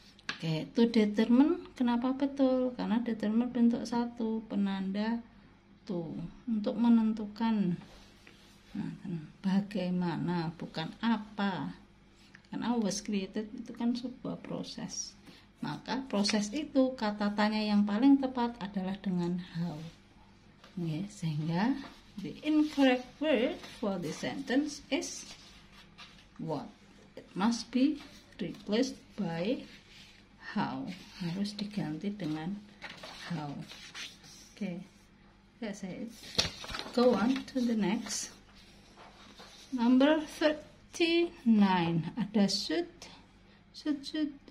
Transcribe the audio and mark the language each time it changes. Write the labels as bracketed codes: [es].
[id] Oke, to determine, kenapa betul? Karena determine bentuk satu, penanda to, untuk menentukan. Nah, bagaimana, bukan apa. Karena [en] was created [id] itu kan sebuah proses. Maka proses itu, kata tanya yang paling tepat adalah dengan how. [en] Oke, [id] sehingga [en] the incorrect word for the sentence is what. It must be replaced by how. [id] Harus diganti dengan how. [en] Okay, that's it. Go on to the next. Number 39. [id] Ada should. Should.